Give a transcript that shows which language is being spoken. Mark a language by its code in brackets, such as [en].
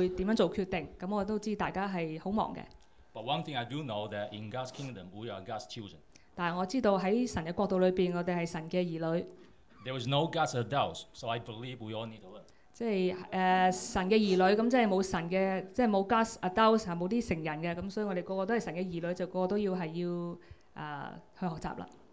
[zh] 我們成人，我們所以其實都知道會怎樣做決定，那我都知道大家是很忙的。 [en] But one thing I do know that in God's kingdom, we are God's children. [zh] 但我知道在神的国度里面，我们是神的儿女。 [en] There is no God's adults, so I believe we all need to learn. [zh] 即是神的儿女，即是没有神的，即是没有 [en] God's adults， [zh] 没有成人的，所以我们个个都是神的儿女，就个个都要去学习了。